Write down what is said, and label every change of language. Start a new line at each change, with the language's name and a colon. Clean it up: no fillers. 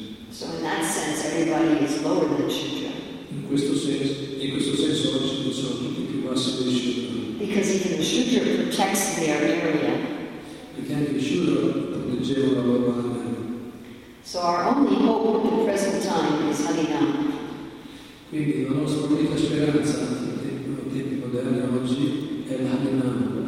English: So in that sense, everybody is lower than Shudra.
Italian: In questo senso, oggi non sono tutti più bassi di Shudra.
English: Because even the Shudra protects their area.
Italian: Perché anche Shudra proteggeva la loro area.
English: So our only hope at the present time is Harinam.
Italian: Quindi la nostra unica speranza nei tempi moderni oggi è l'Harinam.